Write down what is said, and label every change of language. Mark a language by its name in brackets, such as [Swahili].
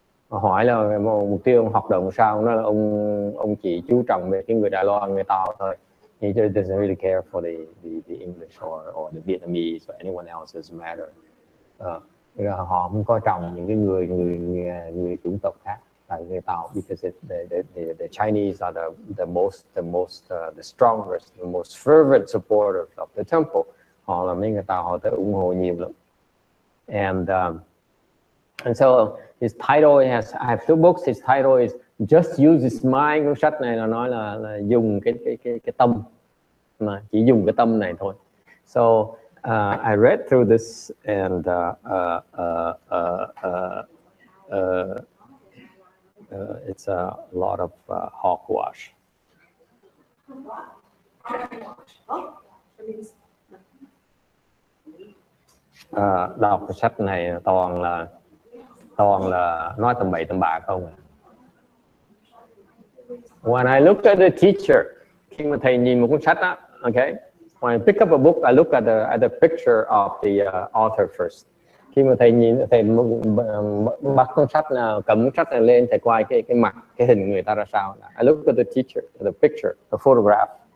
[Vietnamese] Mà hỏi là mục tiêu ông hoạt động sao, nó là ông chỉ chú trọng về cái người Đài Loan, người Tàu thôi. [English] He doesn't really care for the English or the Vietnamese or anyone else as a matter. [Vietnamese] Họ không coi trọng những cái người chủng tộc khác, [English] like [Vietnamese] người Tàu, [English] because the Chinese are the strongest, the most fervent supporters of the temple. [Vietnamese] Họ là mấy người Tàu, họ tới ủng hộ nhiều lắm. [English] And so his title has, I have two books. His title is Just Use His Mind. [Vietnamese] Cuốn sách này là nói là dùng cái tâm, mà chỉ dùng cái tâm này thôi. [English] So I read through this and it's a lot of hogwash. [Vietnamese] Đọc cái sách này toàn là nói tầm bậy tầm bạ không. [English] When I looked at the teacher, [Vietnamese] khi mà thầy nhìn một cuốn sách đó, okay. [English] When I pick up a book, I look at the picture of the author first. [Vietnamese] Khi mà thầy nhìn, thầy bắt cuốn sách nào, cầm cuốn sách này lên, thầy quay cái mặt, cái hình người ta ra sao. [English] I look at the teacher, the picture, the photograph.